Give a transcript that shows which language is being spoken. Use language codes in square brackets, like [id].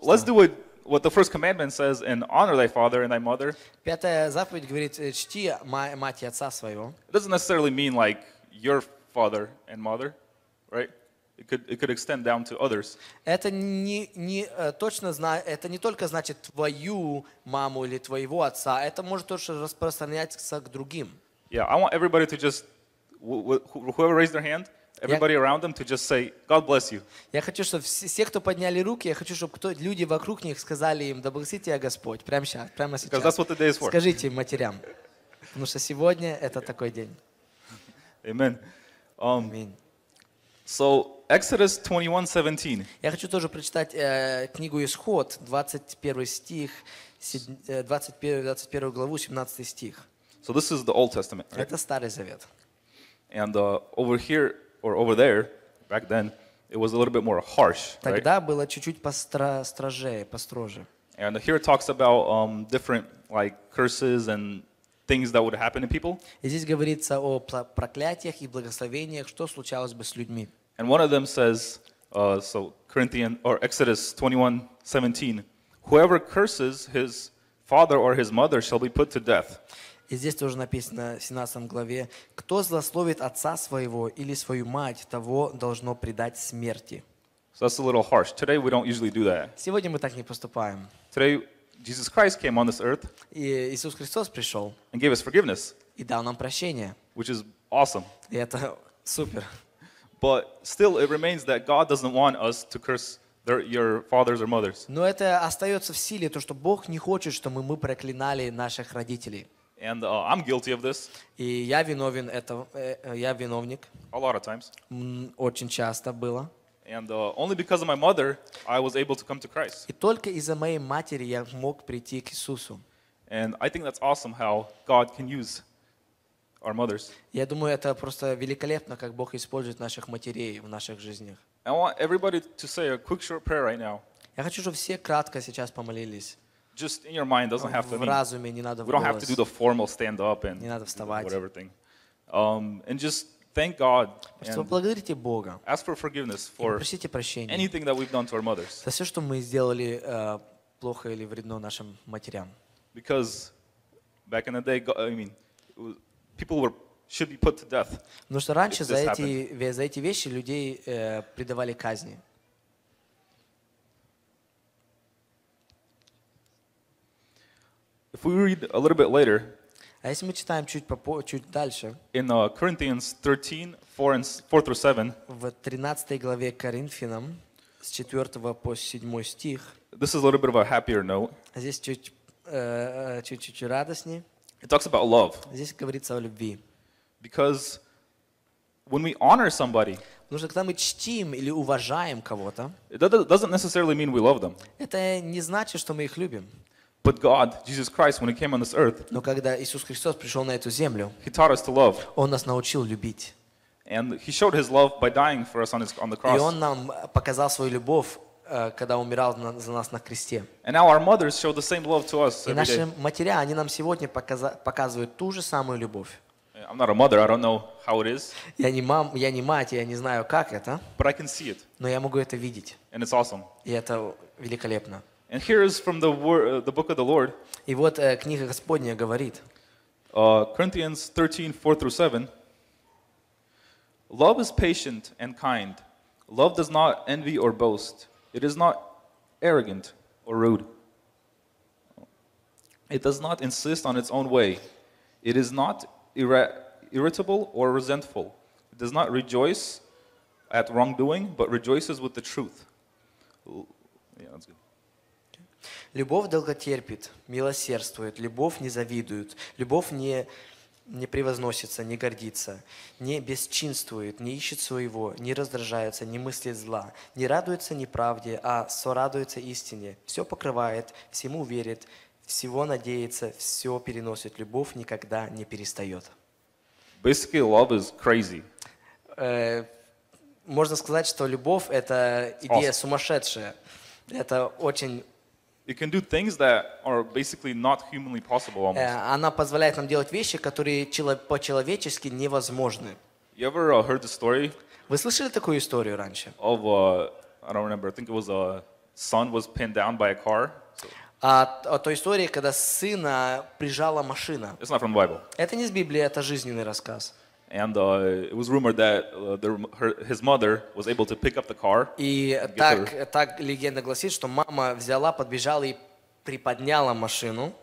[en] Let's do what the first commandment says and honor thy father and thy mother. [ru] Пятая заповедь говорит, чти мать и отца своего. [en] It doesn't necessarily mean like your father and mother, right? It could extend down to others. [ru] Это не точно это не только значит твою маму или твоего отца, это может тоже распространяться к другим. [en] Yeah, I want everybody to just whoever raised their hand. Everybody around them to just say, God bless you. [ru] Я хочу, чтобы все, кто подняли руки, я хочу, чтобы люди вокруг них сказали им, да благослови тебя Господь, прямо сейчас, прямо сейчас. [en] Because that's what the day is for. [ru] Скажите им, матерям, потому что сегодня это такой день. [en] Amen. So, Exodus 21:17. [ru] Я хочу тоже прочитать книгу Исход, 21 стих, 21 главу, 17 стих. [en] So, this is the Old Testament, right? [ru] Это Старый Завет. [en] And over here, or over there, back then, it was a little bit more harsh, [ru] тогда [en] right? [ru] Было чуть-чуть построже. [en] And here it talks about different like curses and things that would happen to people. [ru] И здесь говорится о проклятиях и благословениях, что случалось бы с людьми. [en] And one of them says, Corinthian or Exodus 21:17, whoever curses his father or his mother shall be put to death. [ru] И здесь тоже написано в 17 главе, кто злословит отца своего или свою мать, того должно предать смерти. [en] So that's a little harsh. Today we don't usually do that. [ru] Сегодня мы так не поступаем. [en] Today Jesus Christ came on this earth. [ru] И Иисус Христос пришел. [en] And gave us forgiveness. [ru] И дал нам прощение. [en] Which is awesome. [ru] И это супер. [en] But still it remains that God doesn't want us to curse your fathers or mothers. [ru] Но это остается в силе, то, что Бог не хочет, чтобы мы проклинали наших родителей. [en] And I'm guilty of this. [ru] И я виновен это, я виновник. [en] A lot of times. [ru] Очень часто было. [en] And only because of my mother, I was able to come to Christ. [ru] И только из-за моей матери я мог прийти к Иисусу. [en] And I think that's awesome how God can use our mothers. [ru] Я думаю, это просто великолепно, как Бог использует наших матерей в наших жизнях. [en] I want everybody to say a quick short prayer right now. [ru] Я хочу, чтобы все кратко сейчас помолились. [en] Just in your mind, doesn't have to mean. [ru] В разуме, не надо в голос. [en] We don't have to do the formal stand up and [ru] не надо вставать. [en] Whatever thing. And just thank God. [ru] Просто благодарите Бога. [en] Ask for forgiveness for [ru] просите прощения. [en] Anything that we've done to our mothers. [ru] За все, что мы сделали плохо или вредно нашим матерям. [en] Because back in the day, I mean, people were should be put to death. [ru] Потому что раньше за эти вещи людей предавали казни. [en] If we read a little bit later, [ru] а если мы читаем чуть дальше, [en] in Corinthians 13, 4-7, [ru] в 13 главе Коринфянам, с 4 по 7 стих, [en] this is a little bit of a happier note. [ru] Здесь чуть-чуть радостнее. [en] It talks about love. [ru] Здесь говорится о любви. [en] Because when we honor somebody, [ru] потому что когда мы чтим или уважаем кого-то, [en] that doesn't necessarily mean we love them. [ru] Это не значит, что мы их любим. [en] But God, Jesus Christ, when He came on this earth, [ru] но когда Иисус Христос пришел на эту землю, [en] He taught us to love. [ru] Он нас научил любить. [en] And He showed His love by dying for us on the cross. [ru] И Он нам показал свою любовь, когда умирал за нас на кресте. [en] And now our mothers show the same love to us. [ru] И наши матери, они нам сегодня показывают ту же самую любовь. [en] I'm not a mother. I don't know how it is. [ru] Я не мать, я не знаю, как это. [en] But I can see it. [ru] Но я могу это видеть. [en] And it's awesome. [ru] И это великолепно. [en] And here is from the book of the Lord. [ru] И вот книга Господня говорит. [en] Corinthians 13, 4-7. Love is patient and kind. Love does not envy or boast. It is not arrogant or rude. It does not insist on its own way. It is not irritable or resentful. It does not rejoice at wrongdoing, but rejoices with the truth. Yeah, that's good. [ru] Любовь долготерпит, милосердствует, любовь не завидует, любовь не превозносится, не гордится, не бесчинствует, не ищет своего, не раздражается, не мыслит зла, не радуется неправде, а сорадуется истине, все покрывает, всему верит, всего надеется, все переносит, любовь никогда не перестает. [en] Basically, love is crazy. [ru] Можно сказать, что любовь — это идея awesome. Сумасшедшая. Это очень... [en] It can do things that are basically not humanly possible almost. [ru] Она позволяет нам делать вещи, которые по-человечески невозможны. [en] You ever heard the story? [ru] Вы слышали такую историю раньше? [en] Of I don't remember. I think it was a son was pinned down by a car. [ru] О той истории, когда сына прижала машина. [en] It's not from the Bible. [ru] Это не из Библии, это жизненный рассказ. [en] And it was rumored that his mother was able to pick up the car. [ru] И так легенда гласит, что мама взяла, подбежала и приподняла машину.